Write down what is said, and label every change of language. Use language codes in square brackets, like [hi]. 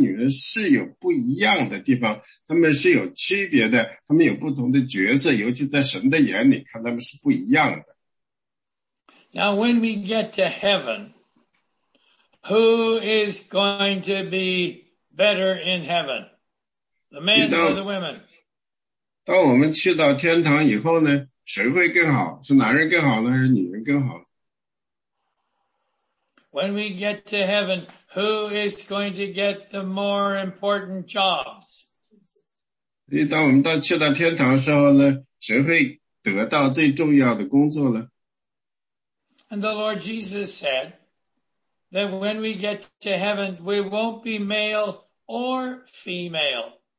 [zh] 这篇文章教导的呢,就是男人和女人是有不一样的地方, 他们是有区别的, 他们有不同的角色, 尤其在神的眼里, 看他们是不一样的。 [en] Now when we get to heaven, who is going to be better in heaven? The men or the women? [zh] 当我们去到天堂以后呢, 谁会更好? 是男人更好呢, 还是女人更好? [en] When we get to heaven, who is going to get the more important jobs? [zh] 当我们去到天堂的时候呢, 谁会得到最重要的工作呢? [en] And the Lord Jesus said, that when we get to heaven, we won't be male or female.